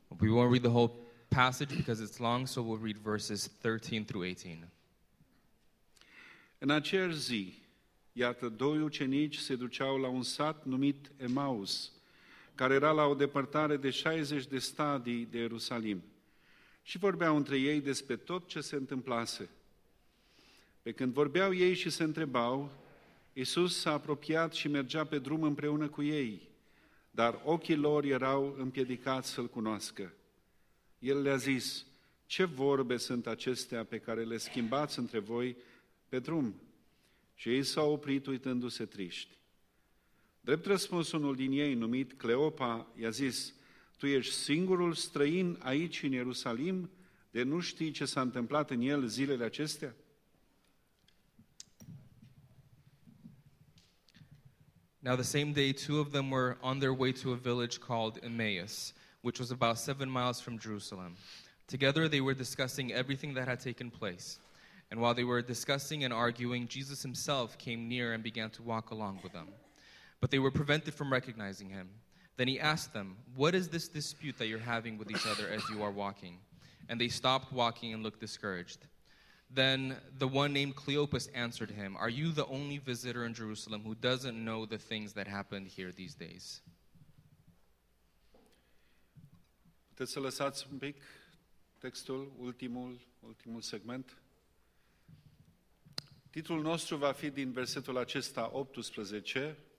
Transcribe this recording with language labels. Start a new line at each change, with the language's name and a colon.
English: We won't read the whole passage because it's long, so we'll read verses 13 through 18.
Romanian: În aceeași zi, iată, doi ucenici se duceau la un sat numit Emaus, care era la o depărtare de 60 de stadii de Ierusalim, și vorbeau între ei despre tot ce se întâmplase. Pe când vorbeau ei și se întrebau, Iisus s-a apropiat și mergea pe drum împreună cu ei, dar ochii lor erau împiedicați să-L cunoască. El le-a zis, ce vorbe sunt acestea pe care le schimbați între voi pe drum? Și ei s-au oprit uitându-se triști. Drept răspuns, unul din ei, numit Cleopa, i-a zis, tu ești singurul străin aici în Ierusalim, de nu știi ce s-a întâmplat în el zilele acestea?
English: Now the same day, two of them were on their way to a village called Emmaus, which was about 7 miles from Jerusalem. Together they were discussing everything that had taken place. And while they were discussing and arguing, Jesus himself came near and began to walk along with them. But they were prevented from recognizing him. Then he asked them, what is this dispute that you're having with each other as you are walking? And they stopped walking and looked discouraged. Then the one named Cleopas answered him, are you the only visitor in Jerusalem who doesn't know the things that happened here these days?
Romanian: Puteți să lăsați un pic textul, ultimul segment. Titlul nostru va fi din versetul acesta 18.